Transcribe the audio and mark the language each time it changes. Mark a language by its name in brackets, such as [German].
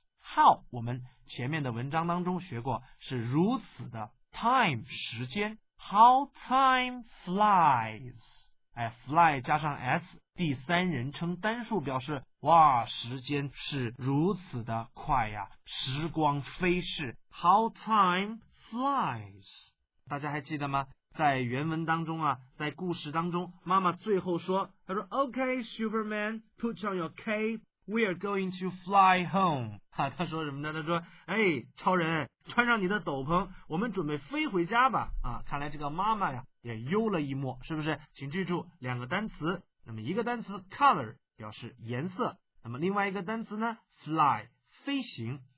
[Chinese] How 我们前面的文章当中学过是如此的 time 时间 [English] how time flies、 [Chinese] 哎、fly 加上 s 第三人称单数表示哇时间是如此的快呀，时光飞逝 how time flies。大家还记得吗？在原文当中啊，在故事当中妈妈最后说，她说 [English] OK Superman put on your cape we are going to fly home。 [Chinese] 啊、他说什么呢？他说哎，超人穿上你的斗篷，我们准备飞回家吧。啊，看来这个妈妈呀也忧了一默，是不是？请记住两个单词，那么一个单词 color 表示颜色，那么另外一个单词呢 fly 飞行。